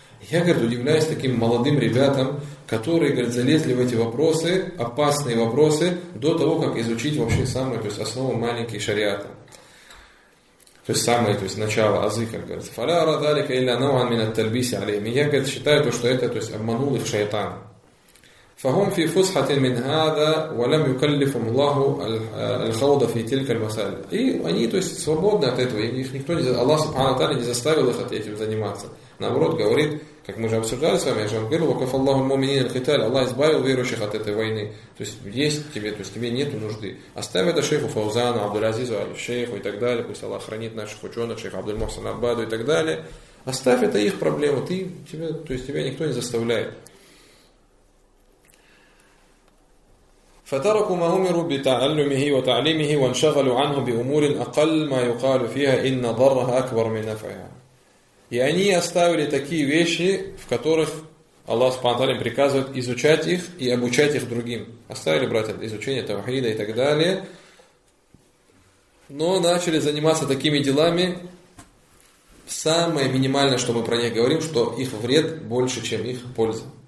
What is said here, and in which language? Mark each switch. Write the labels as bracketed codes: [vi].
[ru] Я, говорит, удивляюсь таким молодым ребятам, которые, говорит, залезли в эти вопросы, опасные вопросы, до того, как изучить вообще самые, то есть, основы маленькие шариата. То есть самое, то есть начало, азы, как говорится. [ar] «Фааляра далика илля науан мин ат-тальбиси алейхим». [ru] Я, говорит, считаю то, что это, то есть, обманул их шайтан. [ar] فهم في فسحة من هذا ولم يكلفهم الله الخوض في تلك المسائل. [ru] И они, то есть, свободны от этого, их никто не, Аллах Субхана ва Тааля не заставил их этим заниматься. Наоборот, говорит, как мы же обсуждали с вами, я же вам говорил: [ar] وكف الله المؤمنين القتال. [ru] Аллах избавил верующих от этой войны. То есть есть тебе, то есть тебе нет нужды. Оставь это шейху Фаузану, Абдул-Азизу, аль-Шейху и так далее. Пусть Аллах хранит наших ученых, шейх Абдул-Мухсин Аббаду и так далее. Оставь это их проблему. Тебя никто не заставляет. [ar] فتركوا ما أمروا بتعلمه وتعليمه وانشغلوا عنه بأمور أقل ما يقال فيها إن ضرها أكبر من نفعها. [ru] И они оставили такие вещи, в которых Аллах Субхана ва Тааля приказывает изучать их и обучать их другим. Оставили, братья, изучение тавхида и так далее, но начали заниматься такими делами. Самое минимальное, что мы про них говорим, что их вред больше, чем их польза.